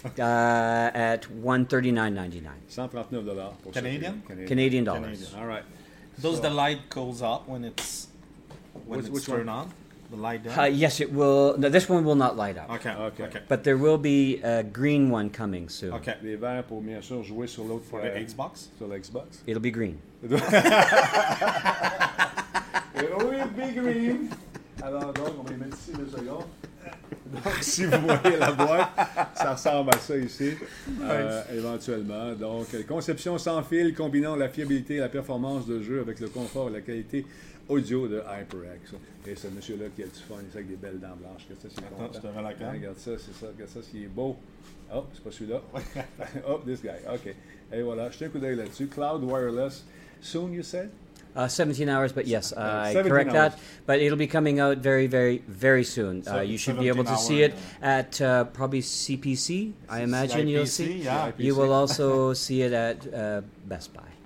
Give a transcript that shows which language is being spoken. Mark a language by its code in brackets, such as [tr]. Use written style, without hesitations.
[en] At $139.99. $139 pour Canadian? Canadian dollars. Canadian. All right. Does the light goes up when it's turned on? The light down? Yes, it will. No, this one will not light up. Okay. But there will be a green one coming soon. Okay. [fr] Les verts pour bien sûr jouer sur l'autre. [en] For the Xbox? [fr] Sur l'Xbox. [en] It'll be green. It will be green. [fr] Alors donc, on va les mettre ici deux secondes. Donc, si vous voyez la boîte, ça ressemble à ça ici, éventuellement. Donc, conception sans fil combinant la fiabilité et la performance de jeu avec le confort et la qualité audio de HyperX. Et ce monsieur-là qui a du fun, il a des belles dents blanches. Regarde ça, c'est content. Attends, je te mets la cam. Regarde ça, c'est ça. Regarde ça, c'est beau. Oh, c'est pas celui-là. [en] Oh, this guy. OK. [fr] Et voilà, jetez un coup d'œil là-dessus. [en] Cloud Wireless. Soon, you said? 17 hours, but yes, I correct hours. That. But it'll be coming out very, very, very soon. You should be able to see it at probably CPC. I imagine CIPC, you'll see. Yeah, you will also see it at Best Buy.